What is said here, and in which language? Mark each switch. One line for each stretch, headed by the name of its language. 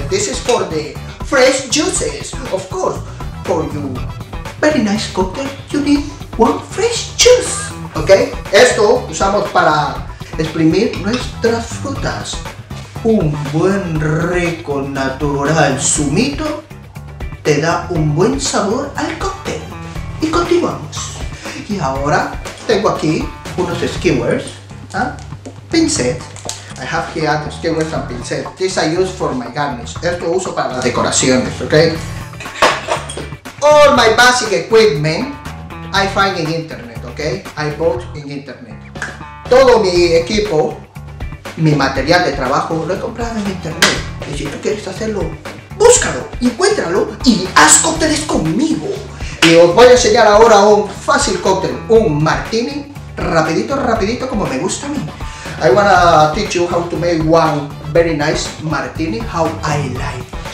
English: This is for the fresh juices, of course. For you, very nice cocktail, you need one fresh juice, ok?
Spanish: Esto usamos para exprimir nuestras frutas. Un buen rico natural zumito te da un buen sabor al cóctel. Y continuamos. Y ahora, tengo aquí unos skewers, pincet.
English: I have here skewers and pincet. This I use for my garnish.
Spanish: Esto uso para las decoraciones,
English: ok? All my basic equipment I find in internet, ok? I bought in internet.
Spanish: Todo mi equipo, mi material de trabajo, lo he comprado en internet. Y si tú quieres hacerlo, búscalo, encuéntralo y haz cócteles conmigo. Y os voy a enseñar ahora un fácil cóctel, un martini, rapidito, rapidito, como me gusta a mí.
English: I wanna teach you how to make one very nice martini, how I like.